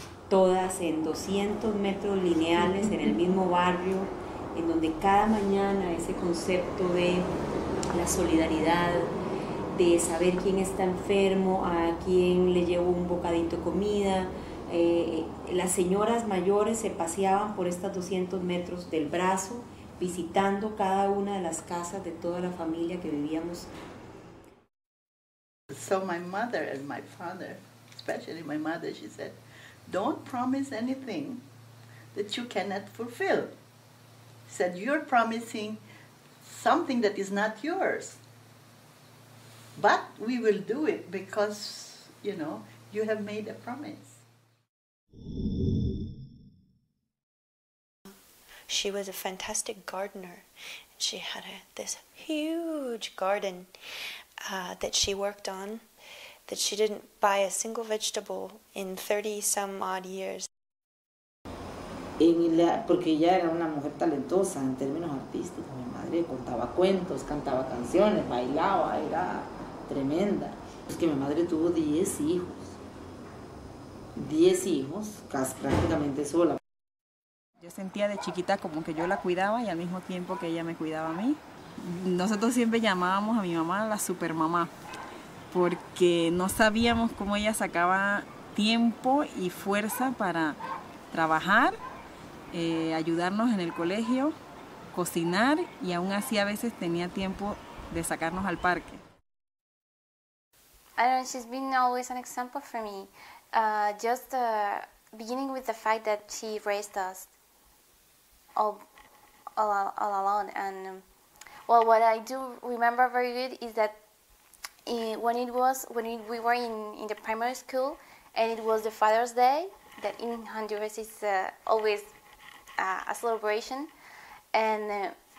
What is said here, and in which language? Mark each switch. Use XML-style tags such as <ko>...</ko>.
<es>Todas en 200 metros lineales en el mismo barrio, en donde cada mañana ese concepto de la solidaridad, de saber quién está enfermo, a quién le llevo un bocadito de comida. Las señoras mayores se paseaban por estas 200 metros del brazo, visitando cada una de las casas de toda la familia que vivíamos.</es> <en>So my mother and my father, especially my mother, she said, don't promise anything that you cannot fulfill. He said, you're promising something that is not yours. But we will do it because, you know, you have made a promise. She was a fantastic gardener. She had this huge garden that she worked on, that she didn't buy a single vegetable in 30 some odd years.</en> <es>Porque ella era una mujer talentosa en términos artísticos. Mi madre contaba cuentos, cantaba canciones, bailaba, era tremenda. Es que mi madre tuvo 10 hijos. 10 hijos, casi prácticamente sola. Yo sentía de chiquita como que yo la cuidaba y al mismo tiempo que ella me cuidaba a mí. Nosotros siempre llamábamos a mi mamá la supermamá, porque no sabíamos cómo ella sacaba tiempo y fuerza para trabajar, ayudarnos en el colegio, cocinar, y aún así a veces tenía tiempo de sacarnos al parque.</es> <en>I don't know, she's been always an example for me. Just beginning with the fact that she raised us all alone. And well, what I do remember very good is that when we were in the primary school, and it was the Father's Day, that in Honduras is always a celebration, and</en>